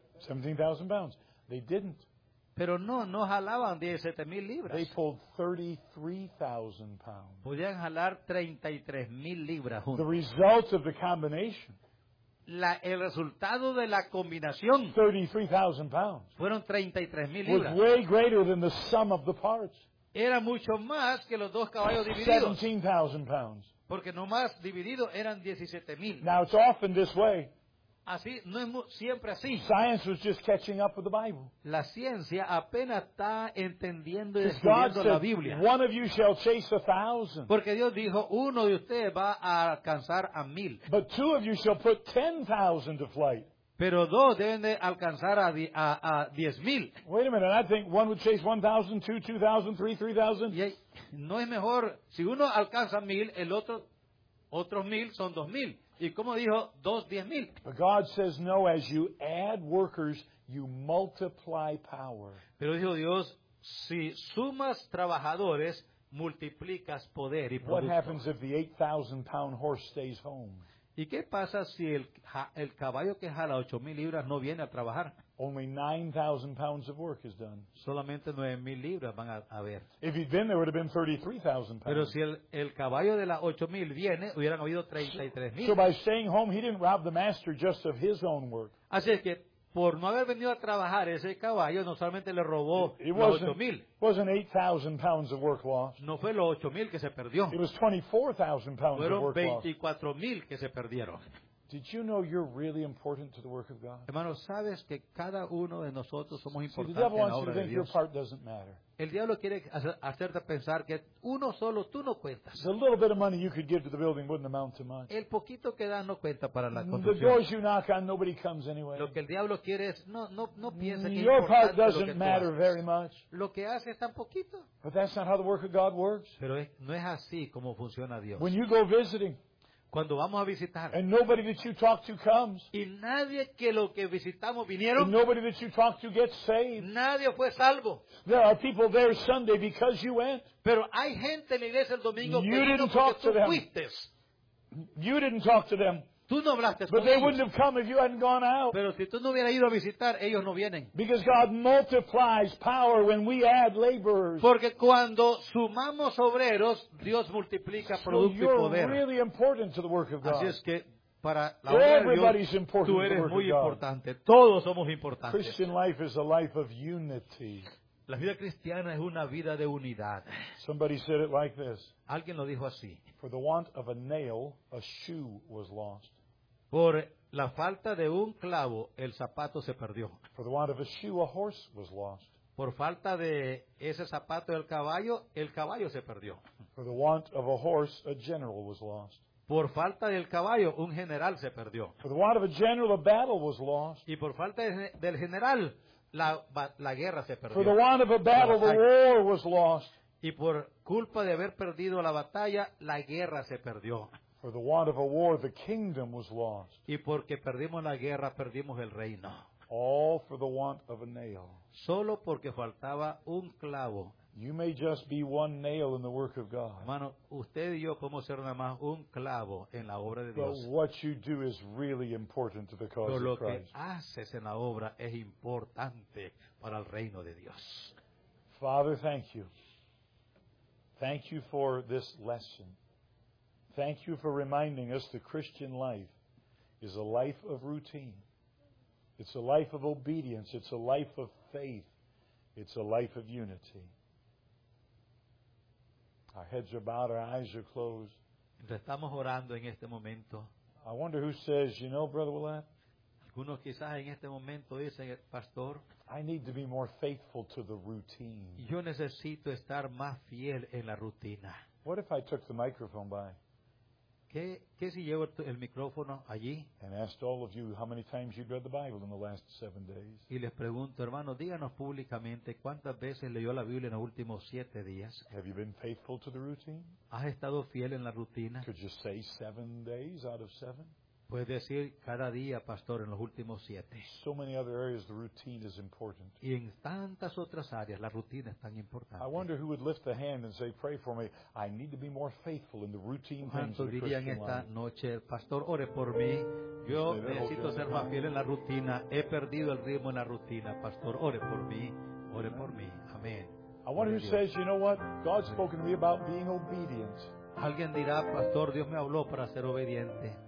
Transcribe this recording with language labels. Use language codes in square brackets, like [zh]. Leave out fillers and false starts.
[en] 17,000 pounds. They didn't. [es] Pero no jalaban 17,000 libras. [en] They pulled 33,000 pounds. [es] Podían jalar 33,000 libras juntos. [en] The result of the combination. [es] el resultado de la combinación [en] 33,000 pounds [es] fueron 33,000 libras. [en] Was way greater than the sum of the parts. [es] Era mucho más que los dos caballos divididos. [en] 17,000 pounds. [es] Porque nomás dividido eran 17,000. [en] Now it's often this way. [es] Así, no es siempre así. [en] Science was just catching up with the Bible. [es] La ciencia apenas está entendiendo y descubriendo la Biblia. [en] One of you shall chase a thousand. [es] Porque Dios dijo, uno de ustedes va a alcanzar a 1,000. [en] But two of you shall put 10,000 to flight. [es] Pero dos deben de alcanzar a 10,000. [en] Wait a minute, I think one would chase 1,000, two, 2,000, three, 3,000. [es] No es mejor, si uno alcanza 1,000, el otro 1,000 son 2,000. Y como dijo, dos 10,000. [en] But God says no, as you add workers, you multiply power. [es] Pero dijo Dios, si sumas trabajadores, multiplicas poder y producto. [en] What happens if the 8,000 pound horse stays home? [es] ¿Y qué pasa si el caballo que jala 8,000 libras no viene a trabajar? [en] Only 9,000 pounds of work is done. [es] Solamente 9,000 libras van a haber. [en] If he'd been, there would have been 33,000 pounds. [es] Pero si el caballo de las 8,000 viene, hubieran habido 33,000. [en] So by staying home, he didn't rob the master just of his own work. [es] Así es que por no haber venido a trabajar ese caballo, no solamente le robó los 8,000. [en] It wasn't 8,000 pounds of work lost. [es] No fue los 8,000 que se perdió. [en] It was 24,000 pounds of work lost. [es] Fueron 24,000 que se perdieron. [en] Did you know you're really important to the work of God? [es] Hermanos, ¿sabes que cada uno de nosotros somos importantes en la obra de Dios? [en] wants you to think your part doesn't matter. [es] El diablo quiere hacerte pensar que uno solo, tú no cuentas. [en] The little bit of money you could give to the building wouldn't amount to much. [es] El poquito que da no cuenta para la construcción. [en] The doors you knock on, nobody comes anyway. [es] Lo que el diablo quiere es, no piensa que [en] your part doesn't matter very much. [es] Lo que hace es tan poquito. [en] But that's not how the work of God works. [es] Pero no es así como funciona Dios. [en] When you go visiting, [es] cuando vamos a visitar, [en] and nobody that you talk to comes, [es] y nadie que lo que visitamos vinieron, [en] and nobody that you talk to gets saved, [es] nadie fue salvo. [en] There are people there Sunday because you went. [es] Pero hay gente en la iglesia el domingo [en] you didn't talk to them. [es] Fuiste. [en] You didn't talk to them. [es] Tú no hablaste [en] but [es] con [en] they [es] ellos. [en] Wouldn't have come if you hadn't gone out. [es] Pero si tú no hubieras ido a visitar, ellos no vienen. [en] Because God multiplies power when we add laborers. [es] Porque cuando sumamos obreros, Dios multiplica producto [en] so you're [es] y poder. [en] Really important to the work of God. [es] Así es que para la obra de Dios, tú eres muy importante. Todos somos importantes. [en] Christian life is a life of unity. [es] La vida cristiana es una vida de unidad. [en] Somebody said it like this. [es] Alguien lo dijo así. [en] For the want of a nail, a shoe was lost. [es] Por la falta de un clavo, el zapato se perdió. [en] For the want of a shoe, a horse was lost. [es] Por falta de ese zapato del caballo, el caballo se perdió. [en] For the want of a horse, a general was lost. [es] Por falta del caballo, un general se perdió. [en] For the want of a general, a battle was lost. [es] Y por falta del general, la guerra se perdió. [en] For the want of a battle, the war was lost. [es] Y por culpa de haber perdido la batalla, la guerra se perdió. [en] For the want of a war, the kingdom was lost. [es] Y porque perdimos la guerra, perdimos el reino. [en] All for the want of a nail. [es] Solo porque faltaba un clavo. [en] You may just be one nail in the work of God. [es] Hermano, usted y yo podemos ser nada más un clavo en la obra de Dios. [en] But what you do is really important to the cause of Christ. [es] Lo que haces en la obra es importante para el reino de Dios. [en] Father, thank you. Thank you for this lesson. Thank you for reminding us the Christian life is a life of routine. It's a life of obedience. It's a life of faith. It's a life of unity. Our heads are bowed, our eyes are closed. [es] Estamos orando en este momento. [en] I wonder who says, you know, Brother Willett, [es] algunos quizás en este momento dicen, Pastor, [en] I need to be more faithful to the routine. [es] Yo necesito estar más fiel en la rutina. [en] What if I took the microphone by? [es] ¿Qué si llevo el micrófono allí? [en] And asked all of you how many times you'd read the Bible in the last 7 days. [es] Y les pregunto, hermano, díganos públicamente cuántas veces leyó la Biblia en los últimos 7 días. [en] Have you been faithful to the routine? [es] ¿Has estado fiel en la rutina? [en] Could you say 7 days out of 7? [es] Puedes decir cada día, Pastor, en los últimos 7. [en] So many other areas, the routine is important. [es] Y en tantas otras áreas, la rutina es tan importante. [en] I wonder who would lift the hand and say, pray for me. I need to be more faithful in the routine things of the Christian life. [es] ¿Cuánto dirían esta noche, Pastor, ore por mí? Yo necesito ser más fiel en la rutina. He perdido el ritmo en la rutina. Pastor, ore por mí. Ore por mí. Amén. [en] I wonder who says, you know what? God's spoken to me about being obedient. [es] Alguien dirá, Pastor, Dios me habló para ser obediente.